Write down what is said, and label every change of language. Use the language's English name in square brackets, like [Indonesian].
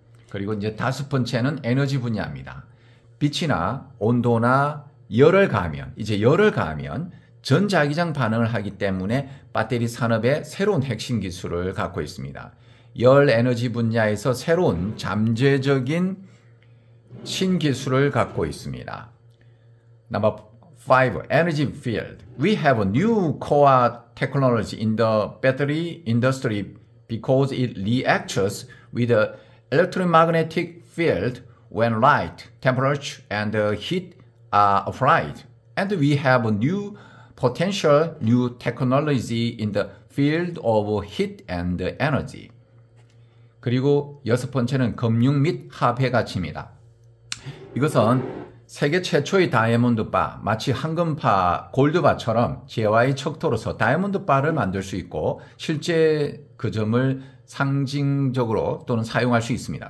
[Korean] 그리고 이제 다섯 번째는 에너지 분야입니다. 빛이나 온도나 열을 가하면 전자기장 반응을 하기 때문에 배터리 산업의 새로운 핵심 기술을 갖고 있습니다. 열 에너지 분야에서 새로운 잠재적인 신기술을 갖고 있습니다. [English] Number 5, Energy Field. We have a new core technology in the battery industry because it reacts with the electromagnetic field when light, temperature, and heat are applied. And we have a new potential new technology in the field of heat and energy. [Korean] 그리고 여섯 번째는 금융 및 화폐 가치입니다. 이것은 세계 최초의 다이아몬드 바, 마치 황금파, 골드바처럼 재화의 척도로서 다이아몬드 바를 만들 수 있고 실제 그 점을 상징적으로 또는 사용할 수 있습니다.